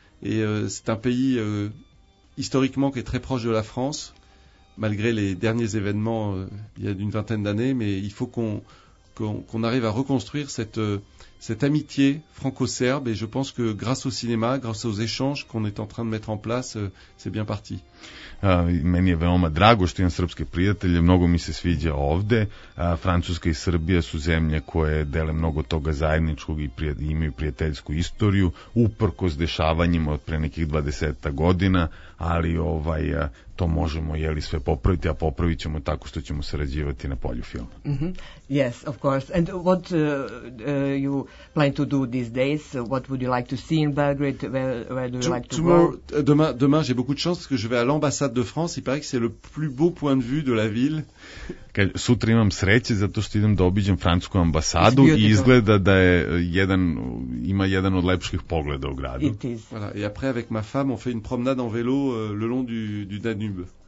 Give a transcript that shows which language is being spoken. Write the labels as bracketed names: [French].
[French] Et c'est un pays historiquement qui est très proche de la France, malgré les derniers événements il y a une vingtaine d'années. Mais il faut qu'on arrive à reconstruire cette amitié franco-serbe et je pense que grâce au cinéma, grâce aux échanges qu'on est en train de mettre en place, c'est bien parti. [Serbian] Meni je veoma drago što imam srpske prijatelje, mnogo mi se sviđa ovde. Francuska i Srbija su zemlje koje dele mnogo toga zajedničkog i imaju prijateljsku istoriju, uprkos dešavanjima od pre nekih 20 godina, ali to možemo sve popraviti, a popravit ćemo tako što ćemo sarađivati na polju filma. [English] Mm-hmm. Yes, of course. And what you plan to do these days? What would you like to see in Belgrade? Where do you like to tomorrow, go? [French] Demain, j'ai beaucoup de chance parce que je vais à l'ambassade de France. Il paraît que c'est le plus beau point de vue de la ville. [Serbian] Sutra imam sreće zato što idem da obiđem francusku ambasadu i izgleda da je ima jedan od lepših pogleda u gradu. [English] It is. [French] Voilà. Et après, avec ma femme, on fait une promenade en vélo le long du Danube.